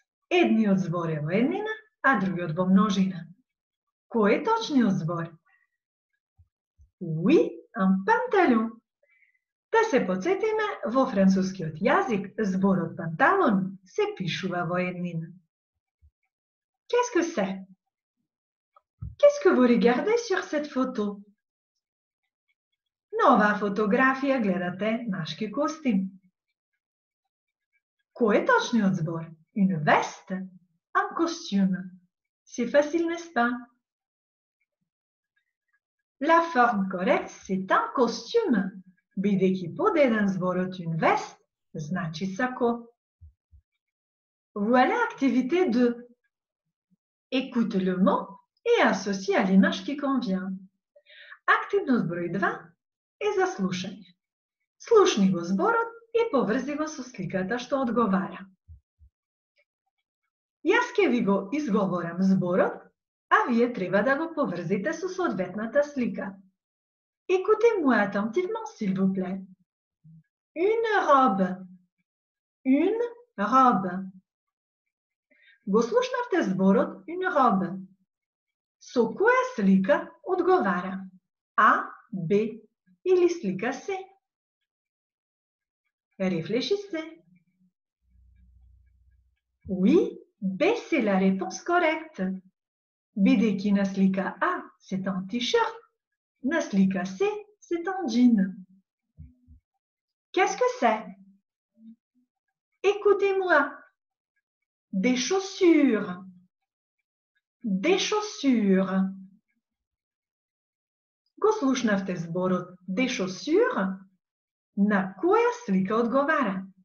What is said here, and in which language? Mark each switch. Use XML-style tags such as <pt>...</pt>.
<mk>Едниот збор е во еднина, а другиот во множина. Кој е точниот збор?</mk> <fr>Oui, un pantalon.</fr> <mk>Да се подсетиме, во францускиот јазик, зборот панталон се пишува во еднина.</mk> <fr>Qu'est-ce que c'est? Qu'est-ce que vous regardez sur cette photo?</fr> <mk>Нова фотографија гледате машки костим. Кој е точниот збор?</mk> <fr>Une veste? Un costume? C'est facile, n'est-ce pas? La forme correcte, c'est un costume.</fr> <mk>Бидејќи под еден зборот une veste, значи сако.</mk> <fr>Voilà activité 2. Écoute le mot et associe à l'image qui convient.</fr> <mk>Активност број 2 е за слушање. Слушни го зборот и поврзи го со сликата што одговара. Јас ќе ви го изговорам зборот, а вие треба да го поврзите со соодветната слика.</mk> <fr>Écoutez-moi attentivement, s'il vous plaît. Une robe. Une robe.</fr> <mk>Го слушнавте зборот une robe. Со која слика одговара? А, Б или слика С?</mk> <fr>Réfléchissez. Oui, B c'est la réponse correcte.</fr> <mk>Бидејќи на слика А,</mk> <fr>c'est un t-shirt.</fr> <mk>На слика С,</mk> <fr>c'est un jean. Qu'est-ce que c'est? Écoutez-moi. Des chaussures. Des chaussures.</fr> <mk>Goslušnavte zboru. Des chaussures. Na koja slika odgovara?</mk>